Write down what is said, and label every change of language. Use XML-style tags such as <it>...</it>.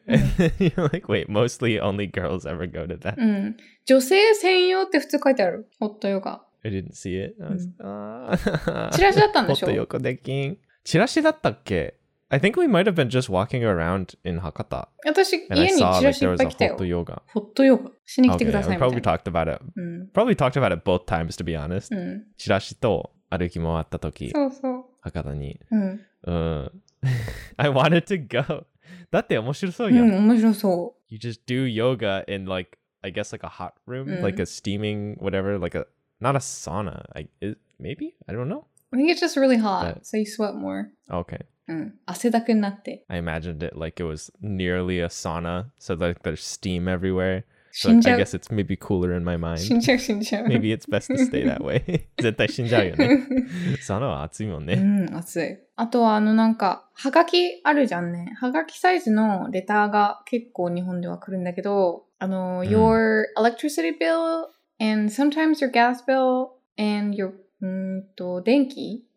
<en>And then you're like, wait, mostly only girls ever go to that.</en> <ja>うん。女性専用って普通書いてある。ホットヨガ。</ja> <en>I didn't see it. I was,、うん、</en> <ja>チラシだったんでしょ? ホットヨガできん。チラシだったっけ?</ja> <en>I think we might have been just walking around in Hakata.</en> <ja>私、家にチラシいっぱい来たよ。</ja> <en>And I saw that there was a ホットヨガ。</en> <ja>ホットヨガ。しに来てくださいみたいな。</ja> <en>Okay, we probably talked about it.、</en> <ja>うん、</ja> <en>probably talked about it both times, to be honest.、</en> <ja>うん、チラシと、歩き回った時、そうそう、博多に、うん、</ja> <en>うん、I wanted to go.</en> <ja>だって面白そうよ。うん、面白そう。</ja> <en>You just do yoga in like, I guess like a hot room,、うん、like a steaming whatever, like a not a sauna. Maybe I don't know. I think it's just really hot, but, so you sweat more. Okay.</en> <ja>うん、汗だくになって。</ja> <en>I imagined it like it was nearly a sauna, so like there's steam everywhere. So I guess it's maybe cooler in my mind.</en> <ja>死んじゃう、死んじゃう。</ja> <en>Maybe it's best to stay that way.</en> <ja>絶対死んじゃうよね。サナは暑いもんね。うん、暑い。あとはあのなんか、ハガキあるじゃんね。ハガキサイズのレターが結構日本では来るんだけど、あの、うん、</ja> <en>your electricity bill, and sometimes your gas bill, and your,</en> <ja>んーと、電気?</ja>